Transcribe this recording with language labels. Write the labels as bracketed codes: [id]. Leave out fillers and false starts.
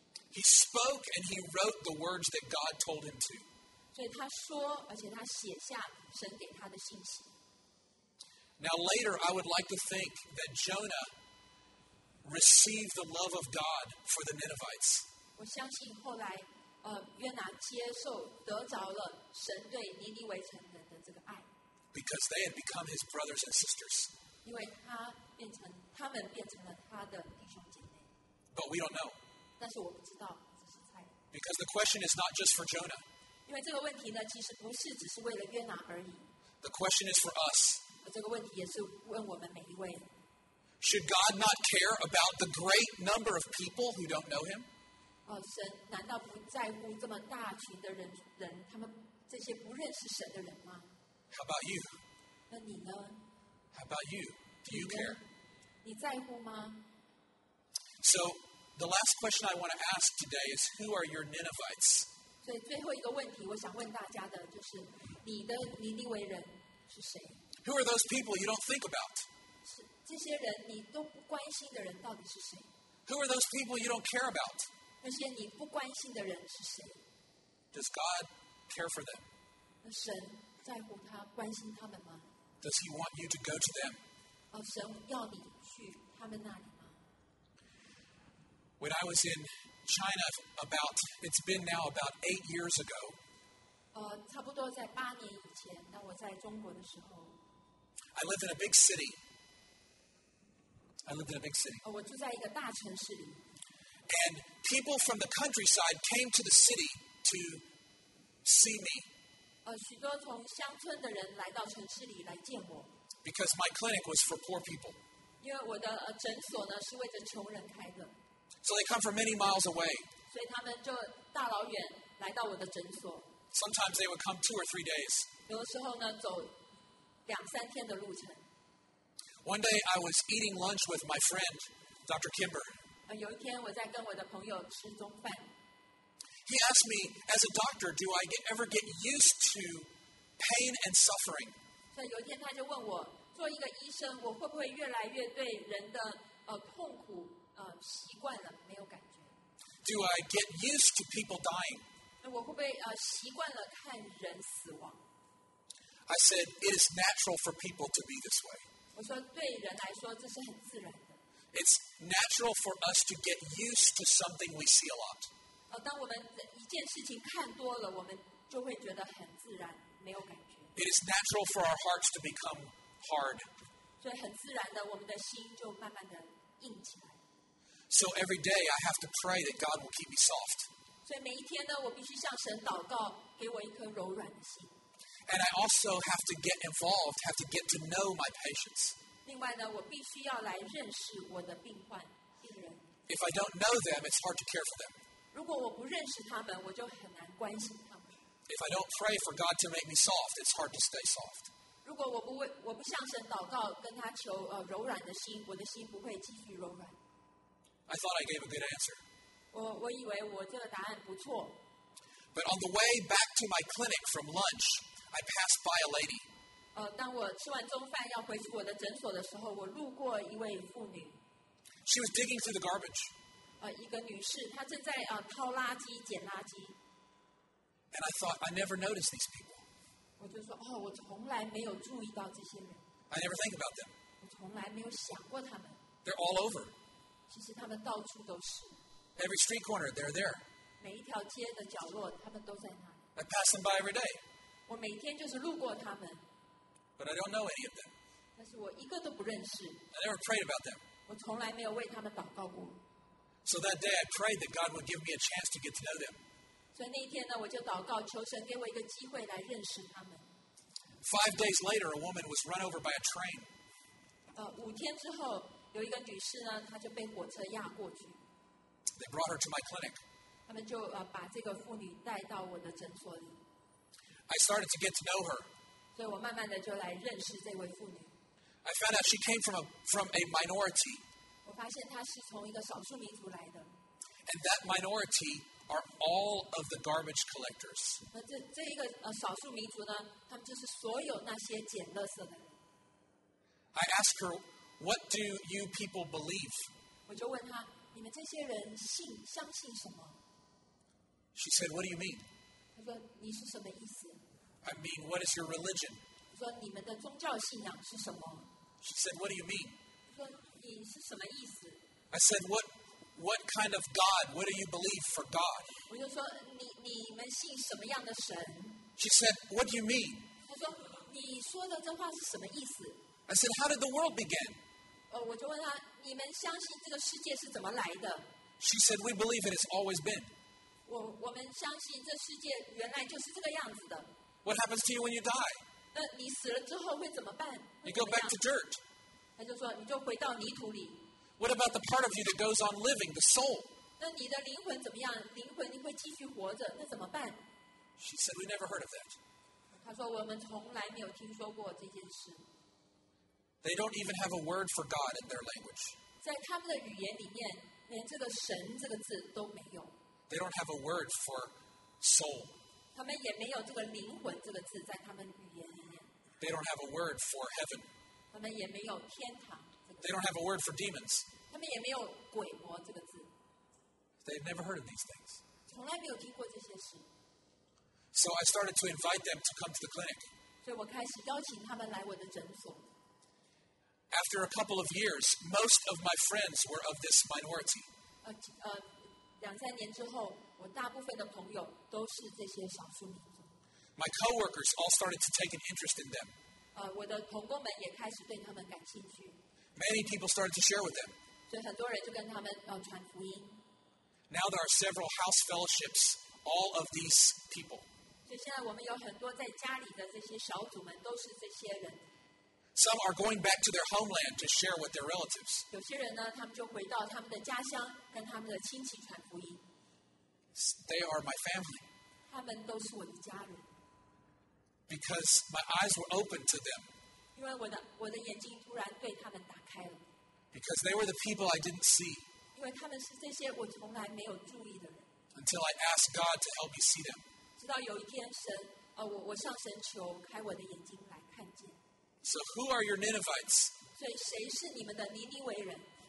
[en] He spoke and he wrote the words that God told him to. [zh] 所以他说，而且他写下神给他的信息。 [en] Now later, I would like to think that Jonah received the love of God for the Ninevites. [zh] 我相信后来，约拿接受得着了神对尼尼微城人的这个爱。 [en] Because they had become his brothers and sisters. [zh] 因为他们变成了他的弟兄姐妹。 [en] But we don't know. [zh] 但是我不知道，只是猜。 [en] Because the question is not just for Jonah. [zh] 因为这个问题呢，其实不是只是为了约拿而已。 [en] The question is for us. [zh] 这个问题也是问我们每一位。 [en] Should God not care about the great number of people who don't know Him? [zh] 神难道不在乎这么大群的人，他们这些不认识神的人吗？ [en] How about you? [zh] 那你呢？ [en] How about you? Do you care? [zh] 你在乎吗？ [en] So. The last question I want to ask today is, who are your Ninevites? [zh] 所以最后一个问题我想问大家的就是你的尼尼微人是谁？ [en] Who are those people you don't think about? [zh] 这些人你都不关心的人到底是谁？ [en] Who are those people you don't care about? [zh] 那些你不关心的人是谁？ [en] Does God care for them? [zh] 那神在乎他，关心他们吗？ [en] Does he want you to go to them? [zh] 神要你去他们那里。 [en] When I was in China it's been now about 8 years ago. [zh] 差不多在八年以前，那我在中国的时候。 [en] I lived in a big city. I lived in a big city. [zh] 我住在一个大城市里。 [en] And people from the countryside came to the city to see me. [zh] 许多从乡村的人来到城市里来见我。 [en] Because my clinic was for poor people. [zh] 因为我的诊所呢是为着穷人开的。 [en] So they come from many miles away. [zh] 所以他们就大老远来到我的诊所。 [en] Sometimes they would come 2 or 3 days. [zh] 有的时候呢，走两三天的路程。 [en] One day I was eating lunch with my friend, Dr. Kimber. [zh] 有一天我在跟我的朋友吃中饭。 [en] He asked me, as a doctor, do I ever get used to pain and suffering? [zh] 所以有一天他就问我，做一个医生，我会不会越来越对人的痛苦？习惯了没有感觉。 [en] Do I get used to people dying? [zh] 我会不会习惯了看人死亡？ [en] I said it is natural for people to be this way. [zh] 我说对人来说这是很自然的。 [en] It's natural for us to get used to something we see a lot. [zh] 当我们一件事情看多了，我们就会觉得很自然，没有感觉。 [en] It is natural for our hearts to become hard. [zh] 所以很自然的，我们的心就慢慢的硬起来。 [en] So every day I have to pray that God will keep me soft. [zh] 所以每一天呢，我必须向神祷告，给我一颗柔软的心。 [en] And I also have to get involved, have to get to know my patients. [zh] 另外呢，我必须要来认识我的病患病人。 [en] If I don't know them, it's hard to care for them. [zh] 如果我不认识他们，我就很难关心他们。 [en] If I don't pray for God to make me soft, it's hard to stay soft. [zh] 如果我不向神祷告，跟他求柔软的心，我的心不会继续柔软。 [en] I thought I gave a good answer. [zh] 我以为我这个答案不错。 [en] But on the way back to my clinic from lunch, I passed by a lady. [zh] 当我吃完中饭要回去我的诊所的时候，我路过一位妇女。 [en] She was digging through the garbage. [zh] 一个女士，她正在掏垃圾、捡垃圾。 [en] And I thought, I never noticed these people. [zh] 我就说，哦，我从来没有注意到这些人。 [en] I never think about them. [zh] 我从来没有想过他们。 [en] They're all over. [zh] 其实他们到处都是。 [en] Every street corner, they're there. [zh] 每一条街的角落，他们都在那里。 [en] I pass them by every day. [zh] 我每天就是路过他们。 [en] But I don't know any of them. [zh] 但是我一个都不认识。 [en] I never prayed about them. [zh] 我从来没有为他们祷告过。 [en] So that day, I prayed that God would give me a chance to get to know them. [zh] 所以那一天呢，我就祷告，求神给我一个机会来认识他们。 [en] 5 days later, a woman was run over by a train. [zh] 五天之后，有一个女士呢，她就被火车压过去。 [en] They brought her to my clinic. [zh] 他们就把这个妇女带到我的诊所里。 [en] I started to get to know her. [zh] 所以我慢慢的就来认识这位妇女。 [en] I found out she came from a minority. [zh] 我发现她是从一个少数民族来的。 [en] And that minority are all of the garbage collectors. [zh] 那这一个少数民族呢，他们就是所有那些捡垃圾的人。 [en] I asked her, "What do you people believe?" [zh] 我就问她，你们这些人相信什么？ [en] She said, "What do you mean?" [zh] 她说，你是什么意思？ [en] I mean, what is your religion? [zh] 说你们的宗教信仰是什么？ [en] She said, "What do you mean?" [zh] 说你是什么意思？ [en] I said, "What kind of God? What do you believe for God?" [zh] 我就说你们信什么样的神？ [en] She said, "What do you mean?" [zh] 她说你说的这话是什么意思？ [en] I said, "How did the world begin?" [zh] 我就问她你们相信这个世界是怎么来的？ [en] She said, "We believe it has always been." [zh] 我们相信这世界原来就是这个样子的。 [en] What happens to you when you die? [zh] 你死了之后会怎么办？你 [en] go back to dirt. [zh] 他就说，你就回到泥土里。 [en] What about the part of you that goes on living, the soul? [zh] 那你的灵魂怎么样？灵魂你会继续活着，那怎么办？ [en] She said, "We never heard of that." [zh] 他说，我们从来没有听说过这件事。 [en] They don't even have a word for God in their language. [zh] 在他们的语言里面，连这个神这个字都没有。 [en] They don't have a word for soul. [zh] 他们也没有这个灵魂这个字在他们语言里面。 [en] They don't have a word for heaven. [zh] 他们也没有天堂。 [en] They don't have a word for demons. [zh] 他们也没有鬼魔这个字。 [en] They've never heard of these things. [zh] 从来没有听过这些事。 [en] So I started to invite them to come to the clinic. [zh] 所以我开始邀请他们来我的诊所。 [en] After a couple of years, most of my friends were of this minority. [zh] 两三年之后，我大部分的朋友都是这些少数民族。 [en] My coworkers all started to take an interest in them. [zh] 我的同工们也开始对他们感兴趣。 [en] Many people started to share with them. [zh] 所以很多人就跟他们传福音。 [en] Now there are several house fellowships, all of these people. [zh] 所以现在我们有很多在家里的这些小组们都是这些人。 [en] Some are going back to their homeland to share with their relatives. [zh] 有些人呢，他们就回到他们的家乡，跟他们的亲戚传福音。 [en] They are my family. [zh] 他们都是我的家人。 [en] Because my eyes were open to them. [zh] 因为我的眼睛突然对他们打开了。 [en] Because they were the people I didn't see. [zh] 因为他们是这些我从来没有注意的人。 [en] Until I asked God to help me see them. [zh] 直到有一天神，我向神求开我的眼睛来看见。 [en] So who are your Ninevites? [zh] 所以谁是你们的尼尼微人？